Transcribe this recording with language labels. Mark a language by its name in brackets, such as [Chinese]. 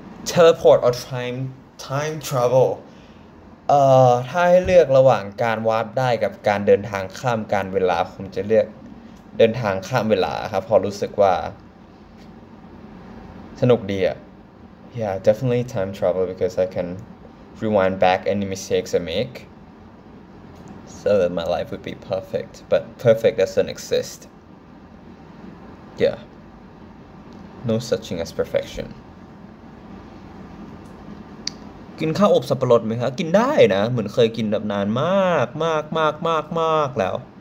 [English] Teleport or time travel [Thai] ถ้าให้เลือกระหว่างการวาร์ปได้กับการเดินทางข้ามการเวลาผมจะเลือกเดินทางข้ามเวลาครับพอรู้สึกว่าสนุกดีอ่ะ [English] Yeah definitely time travel because I can rewind back any mistakes I make so that my life would be perfect but perfect doesn't exist Yeah no such thing as perfection [Thai] กินข้าวอบสับปะรดไหมครับกินได้นะเหมือนเคยกินแบบนานมากมากมากมากมากแล้ว